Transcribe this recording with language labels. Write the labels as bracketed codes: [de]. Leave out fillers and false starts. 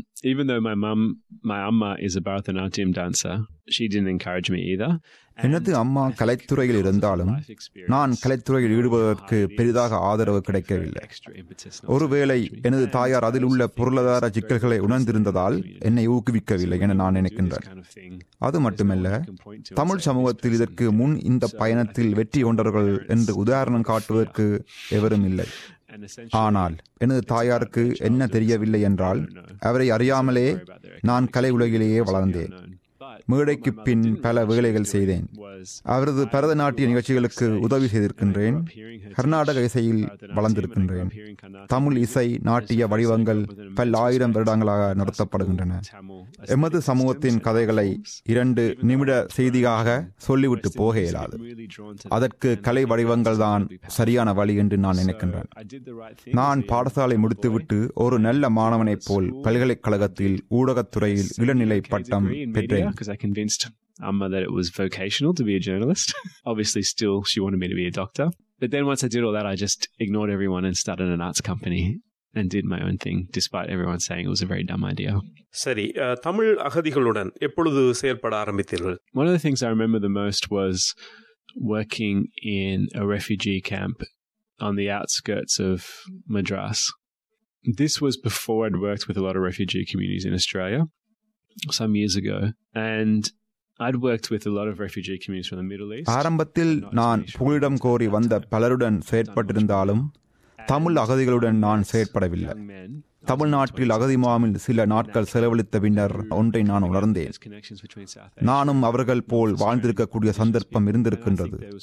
[en] Even though my amma is a Bharatanatyam dancer, she didn't encourage me either. [ta] எனது அம்மா கலைத்துறையில் இருந்தாலும் நான் கலைத்துறையில் ஈடுபடுவதற்கு பெரிதாக ஆதரவு கிடைக்கவில்லை. ஒருவேளை எனது தாயார் அதில் உள்ள பொருளாதார சிக்கல்களை உணர்ந்திருந்ததால் என்னை ஊக்குவிக்கவில்லை என நான் நினைக்கின்றேன். அது மட்டுமல்ல, தமிழ் சமூகத்தில் இதற்கு முன் இந்த பயணத்தில் வெற்றி கொண்டவர்கள் என்று உதாரணம் காட்டுவதற்கு எவரும் இல்லை. ஆனால் எனது தாயாருக்கு என்ன தெரியவில்லை என்றால், அவரை அறியாமலே நான் கலை உலகிலேயே வளர்ந்தேன். மேடைக்கு பின் பல வேலைகள் செய்தேன். அவரது பரதநாட்டிய நிகழ்ச்சிகளுக்கு உதவி செய்திருக்கின்றேன். கர்நாடக இசையில் வளர்ந்திருக்கின்றேன். தமிழ் இசை நாட்டிய வடிவங்கள் பல ஆயிரம் வருடங்களாக நடத்தப்படுகின்றன. எமது சமூகத்தின் கதைகளை 2 நிமிட செய்தியாக சொல்லிவிட்டு போக இயலாது. அதற்கு கலை வடிவங்கள் தான் சரியான வழி என்று நான் நினைக்கின்றேன். நான் பாடசாலை முடித்துவிட்டு ஒரு நல்ல மாணவனைப் போல் பல்கலைக்கழகத்தில் ஊடகத்துறையில் இளநிலை பட்டம் பெற்றேன். [en] Because I convinced Amma that it was vocational to be a journalist. Obviously, still, she wanted me to be a doctor. But then once I did all that, I just ignored everyone and started an arts company and did my own thing, despite everyone saying it was a very dumb idea. [ta] சரி, தமிழ் அகதிகளுடன் எப்பொழுது செயல்பட ஆரம்பித்தீர்கள்? [en] One of the things I remember the most was working in a refugee camp on the outskirts of Madras. This was before I'd worked with a lot of refugee communities in Australia. Some years ago, and I'd worked with a lot of refugee communities from the Middle East. [ta] ஆரம்பத்தில் நான் புகலிடம் கோரி வந்த பலருடன் செயற்பட்டிருந்தாலும் தமிழ் அகதிகளுடன் நான் செயற்படவில்லை. தமிழ்நாட்டில் அகதி முகாமில் சில நாட்கள் செலவழித்த பின்னர் ஒன்றை நான் உணர்ந்தேன். நானும் அவர்கள் போல் வாழ்ந்திருக்கக்கூடிய சந்தர்ப்பம் இருந்திருக்கின்றது.